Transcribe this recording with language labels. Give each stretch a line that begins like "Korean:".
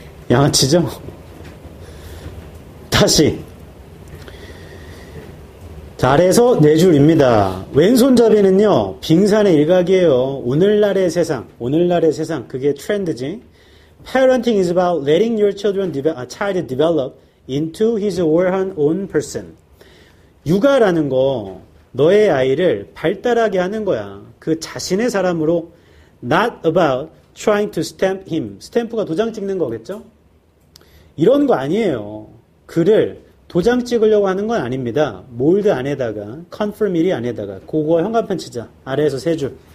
Korean: 양아치죠? 다시 잘해서 네 줄입니다. 왼손잡이는요 빙산의 일각이에요. 오늘날의 세상, 오늘날의 세상 그게 트렌드지.
English: Parenting is about letting your children develop, child develop into his or her own person.
Korean: 육아라는 거 너의 아이를 발달하게 하는 거야. 그 자신의 사람으로.
English: Not about trying to stamp him.
Korean: 스탬프가 도장 찍는 거겠죠? 이런 거 아니에요. 그를 도장 찍으려고 하는 건 아닙니다. 몰드 안에다가, 컨펌밀이 안에다가, 그거 형광펜 치자. 아래에서 세 줄.